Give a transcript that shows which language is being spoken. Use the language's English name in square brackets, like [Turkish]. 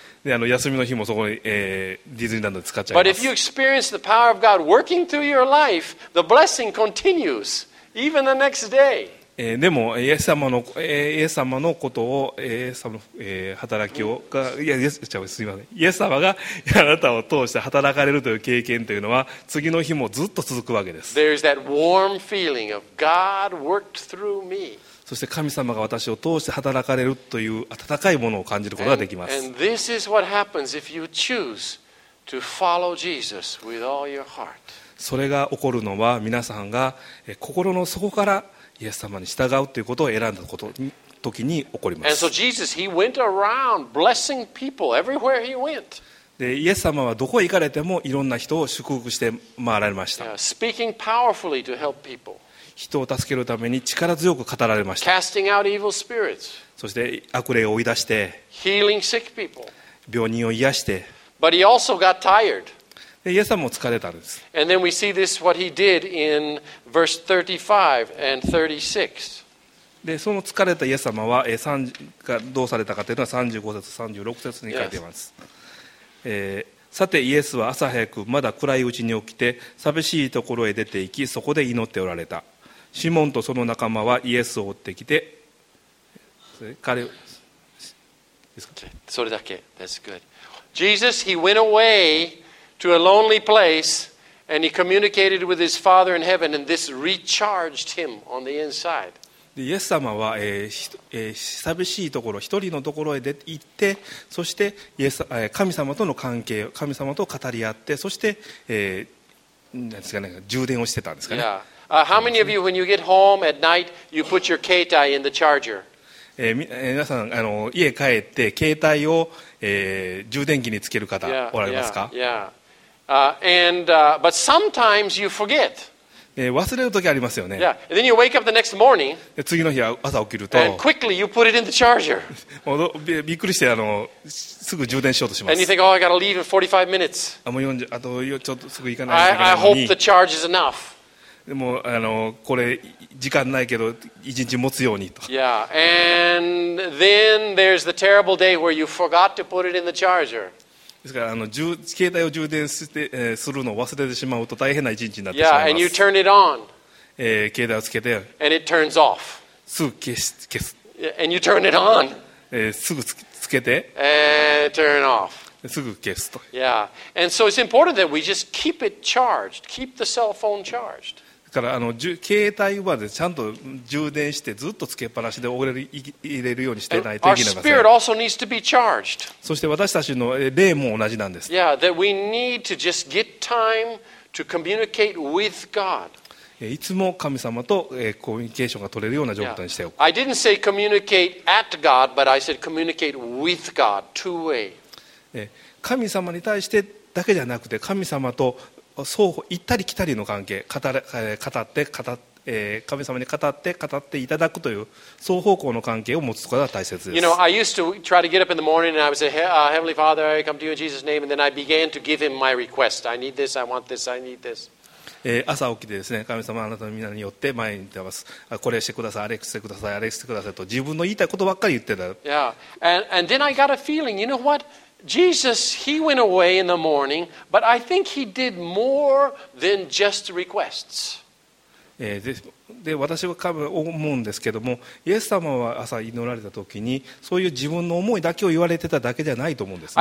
[Japanese] で休みの日もそこに、ディズニーランドで使っちゃい [English] ます。But if you experience the power of God working through your life, the blessing continues even the next day. [Japanese] でもイエス様の、ことをイエス様の、働きをがいやすみませんイエス様があなたを通して働かれるという経験というのは次の日もずっと続くわけです。 [English] There's that warm feeling of God worked through me. [Japanese] そして神様が私を通して働かれるという温かいものを感じることができます。 [English] and this is what happens if you choose to follow Jesus with all your heart. [Japanese] それが起こるのは皆さんが心の底からイエス様に従うということを選んだことに時に起こります。 [English] And so Jesus, he went around blessing people everywhere he went. [Japanese] でイエス様はどこへ行かれてもいろんな人を祝福して回られました。 [English] Yeah, speaking powerfully to help people. [Japanese] 人を助けるために力強く語られました。 [English] Casting out evil spirits. [Japanese] そして悪霊を追い出して [English] Healing sick people. [Japanese] 病人を癒して [English] But he also got tired. [Japanese] イエス様も疲れたんです。 [English] And then we see this what he did in verse 35 and 36. [Japanese] で、その疲れたイエス様はどうされたかというのは35節と36節に書いています。 [English] Yes. [Japanese] さてイエスは朝早くまだ暗いうちに起きて寂しいところへ出て行きそこで祈っておられた。シモンとその仲間はイエスを追ってきて彼ですか。それだけ。 [English] That's good. Jesus, he went away. To a lonely place, and he communicated with his Father in heaven, and this recharged him on the inside. [Japanese] イエス様は、寂しいところ、一人のところへ行って、そして神様との関係、神様と語り合って、そして、なんですかね、充電をしてたんですかね。 [English] Yeah. How many of you, when you get home at night, you put your 携帯 in the charger? [Japanese] 皆さん家帰って携帯を、充電器につける方おられますか？ [English] But sometimes you forget. [Japanese] 忘れる時ありますよね。 [English] Yeah. Then you wake up the next morning. [Japanese] 次の日朝起きると。 [English] And quickly you put it in the charger. [Japanese] びっくりしてすぐ充電しようとします。 [English] And you think, oh, I gotta leave in 45 minutes. [Japanese] もう40あとちょっとすぐ行かないといけないのに。 [English] I hope the charge is enough. [Japanese] でもこれ時間ないけど一日持つようにと。 [English] Yeah, and then there's the terrible day where you forgot to put it in the charger. [Japanese] ですから携帯を充電して、するのを忘れてしまうと大変な一日になってしまい [English] ます。Yeah, and you turn it on. [Japanese] 携帯をつけて。 [English] And it turns off. [Japanese] すぐ消す。 [English] And you turn it on. [Japanese] すぐつけて。 [English] And turn off. [Japanese] すぐ消すと。 [English] Yeah, and so it's important that we just keep it charged, keep the cell phone charged. [Japanese] だから携帯はちゃんと充電してずっとつけっぱなしで入れるようにしてないといけません。 [English] Our spirit also needs to be charged. [Japanese] そして私たちの霊も同じなんです。 [English] Yeah, that we need to just get time to communicate with God. [Japanese] いつも神様とコミュニケーションが取れるような状態にしておく。 [English] I didn't say communicate at God, but I said communicate with God, two way. [Japanese] 神様に対してだけじゃなくて神様と双方行ったり来たりの関係神様に語っていただくという双方向の関係を持つことが大切です。 [English] You know, I used to try to get up in the morning and I would say, Heavenly Father, I come to you in Jesus' name, and then I began to give him my request. I need this, I want this, I need this. [Japanese] 朝起きてですね、神様あなたの皆によって前に出ます、これしてくださいあれしてくださいあれしてくださいと自分の言いたいことばっかり言ってた。 [English] Yeah, and then I got a feeling, you know whatJesus, he went away in the morning, but I think he did more than just requests. [Japanese] で私は多分思うんですけども、イエス様は朝祈られた時にそういう自分の思いだけを言われてただけじゃないと思うんですね。